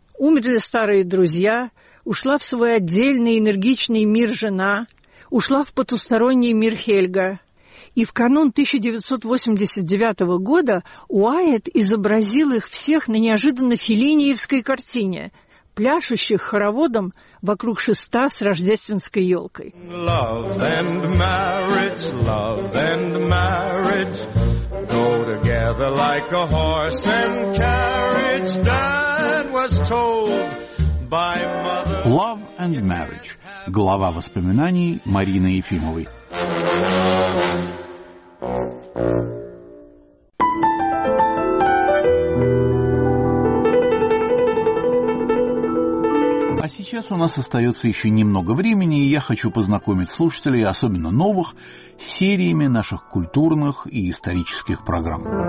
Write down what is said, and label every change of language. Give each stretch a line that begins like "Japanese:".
Russian: Умерли старые друзья, ушла в свой отдельный энергичный мир жена, ушла в потусторонний мир Хельга. И в канун 1989 года Уайетт изобразил их всех на неожиданно феллиниевской картине, пляшущих хороводом вокруг шеста с рождественской елкой.
English: Love and marriage, love and marriage. Go together like a horse and carriage, Dad was told by mother. Love and Marriage.
Russian: Глава воспоминаний Марины Ефимовой. А сейчас у нас остается еще немного времени, и я хочу познакомить слушателей, особенно новых, с сериями наших культурных и исторических программ.